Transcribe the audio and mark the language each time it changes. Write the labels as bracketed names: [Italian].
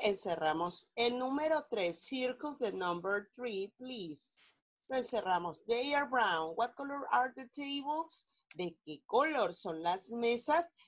[Spanish] Encerramos el número tres. [English] Circle the number three, please. Encerramos. They are brown. What color are the tables? [Spanish] ¿De qué color son las mesas?